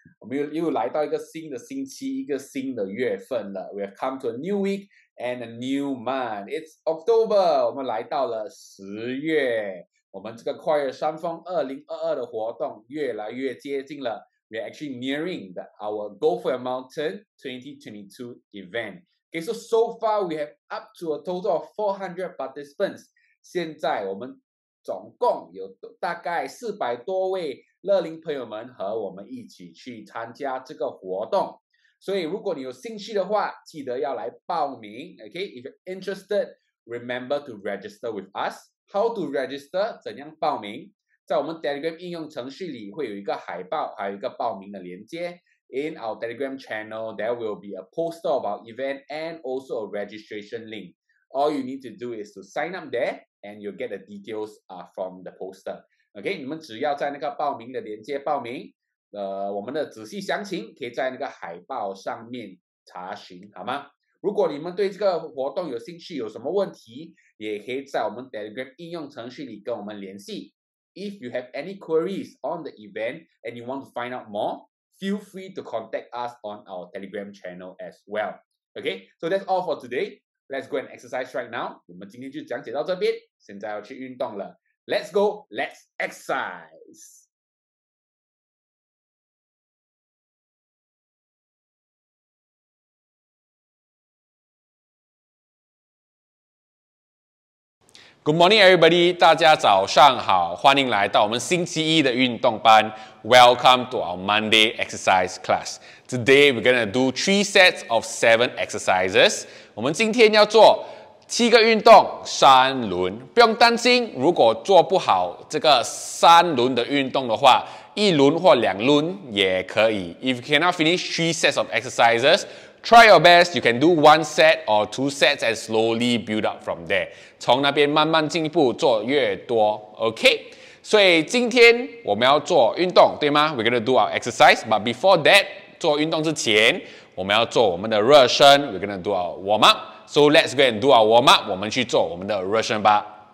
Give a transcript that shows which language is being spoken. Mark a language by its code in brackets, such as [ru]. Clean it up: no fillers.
[zh] 我们又来到一个新的星期，一个新的月份了。 [en] We have come to a new week and a new month. It's October， [zh] 我们来到了十月。我们这个跨越山峰2022的活动越来越接近了。 [en] We are actually nearing our Go for a Mountain 2022 event. Okay, so far we have up to a total of 400 participants. [zh] 现在我们总共有大概400多位乐龄朋友们和我们一起去参加这个活动，所以如果你有兴趣的话，记得要来报名。 [en] Okay, if you're interested, remember to register with us. How to register? [zh] 怎样报名？在我们 Telegram 应用程序里会有一个海报，还有一个报名的连接。 [en] In our Telegram channel, there will be a post of our event and also a registration link. All you need to do is to sign up thereAnd you'll get the details from the poster. [zh] Okay, 你们只要在那个报名的连接报名，我们的仔细详情可以在那个海报上面查询，好吗？如果你们对这个活动有兴趣，有什么问题，也可以在我们 Telegram 应用程序里跟我们联系。 [en] If you have any queries on the event and you want to find out more, feel free to contact us on our Telegram channel as well. Okay, so that's all for today. Let's go and exercise right now. [zh] 我们今天就讲解到这边，现在要去运动了。 [en] Let's go, let's exercise. Good morning, everybody. [zh] 大家早上好，欢迎来到我们星期一的运动班。 [en] Welcome to our Monday exercise class. Today, we're going to do 3 sets of 7 exercises. [zh] 我们今天要做七个运动，三轮。不用担心，如果做不好这个三轮的运动的话，一轮或两轮也可以。 [en] If you cannot finish 3 sets of exercises, try your best. You can do 1 set or 2 sets and slowly build up from there. [zh] 从那边慢慢进步，做越多。 [en] OK? [zh] 所以今天我们要做运动，对吗？ [en] We're going to do our exercise. But before that, [zh] 做运动之前，我们要做我们的热身， [en] we're going to do our warm up. So let's go and do our warm up. [zh] 我们去做我们的热身吧。